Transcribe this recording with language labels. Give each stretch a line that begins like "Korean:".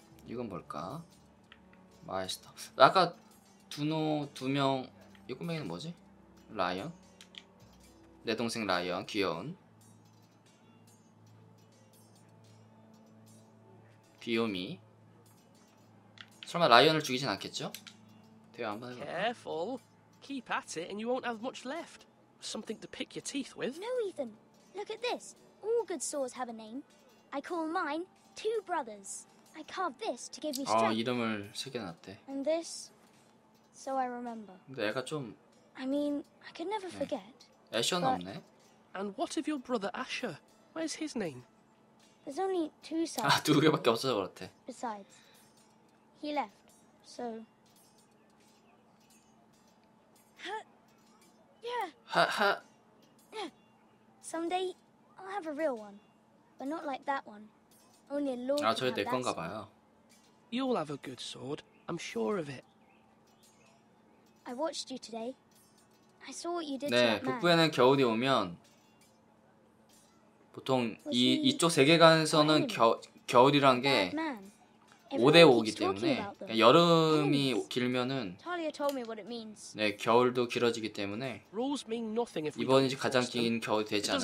Korean: 이건 뭘까? 마이스터. 아까 두 명 이 꼬맹이는 뭐지? 라이언? 내 동생 라이언, 귀여운 귀요미. 설마 라이언을 죽이진 않겠죠? 대화 한 번 해볼까?
English: Careful. Keep at it and you won't have much left. Something to pick your teeth with. No, Ethan. Look at this. All good swords have a name. I call mine Two Brothers. I carved this to give me strength.
Korean: 아, 이름을 새겨놨대.
English: And this? So I remember.
Korean: 근데 애가 좀
English: I mean, I could never forget.
Korean: 애션 없네.
English: And what of your brother Asher? Where's his name? There's only two sides.
Korean: 아, 두 개밖에 없어서 그렇대.
English: Besides, he left. So. Yeah. Someday I'll have a real one, but not like that one. Only a lord.
Korean: 아, 저게 내 건가 봐요.
English: You'll have a good sword. I'm sure of it. I watched you today. I saw what you did to that man.
Korean: 네, 북부에는 겨울이 오면 보통 이쪽 세계관에서는 겨울이란 게 5대 5기 때문에 여름이 길면은 네, 겨울도 길어지기 때문에 이번이 가장 긴 겨울이 되지 않을까.